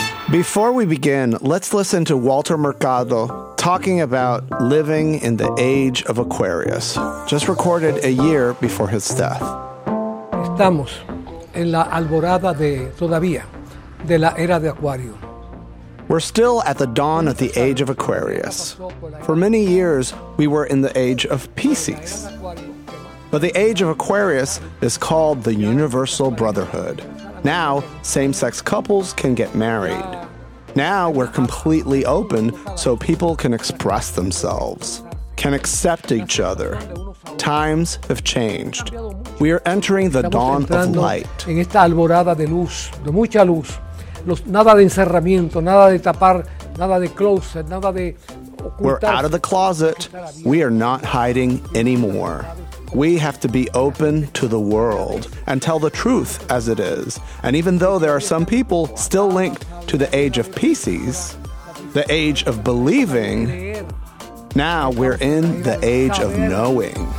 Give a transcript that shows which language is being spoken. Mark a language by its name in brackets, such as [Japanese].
[English] Before we begin, let's listen to Walter Mercado talking about living in the age of Aquarius, just recorded a year before his death. [Spanish] Estamos en la alborada de todavía de la era de Acuario. [English] We're still at the dawn of the age of Aquarius. For many years, we were in the age of Pisces. But the age of Aquarius is called the Universal Brotherhood. Now, same-sex couples can get married. Now we're completely open so people can express themselves, can accept each other. Times have changed. We are entering the dawn of light. [Spanish] En esta alborada de luz, de mucha luz. Nada de encerramiento, nada de tapar, nada de closet, nada de ocultar. [English] We're out of the closet. We are not hiding anymore. We have to be open to the world and tell the truth as it is. And even though there are some people still linked to the age of Pisces, the age of believing, now we're in the age of knowing.